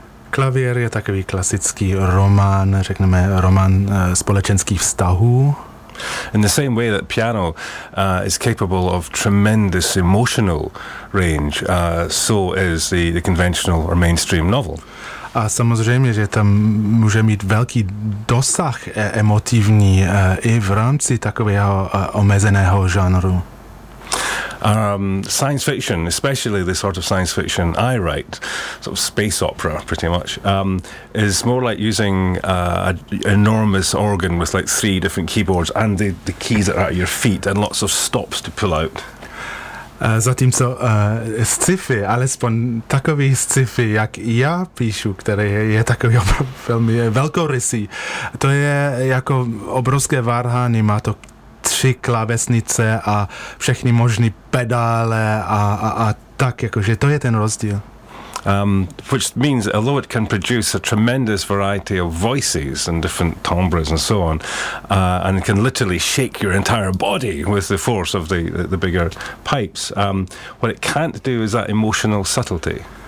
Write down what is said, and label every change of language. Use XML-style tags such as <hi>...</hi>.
<cs>Klavír je takový klasický román, řekneme román společenských vztahů.</cs> <en>In the same way that piano is capable of tremendous emotional range, so is the conventional or mainstream novel.</en> <cs>A samozřejmě, že tam může mít velký dosah emotivní i v rámci takového omezeného žánru.</cs> <en>Science fiction, especially the sort of science fiction I write, sort of space opera pretty much, is more like using an enormous organ with like three different keyboards and the keys that are at your feet and lots of stops to pull out.</en> <cs>Zatímco sci-fi, alespoň takový sci-fi, jak já píšu, který je takový velmi velkorysý, to je jako obrovské varhany, má to tři klávesnice a všechny možné pedále a tak, jakože to je ten rozdíl.</cs> <en>Which means that although it can produce a tremendous variety of voices and different timbres and so on, and it can literally shake your entire body with the force of the bigger pipes, what it can't do is that emotional subtlety.</en>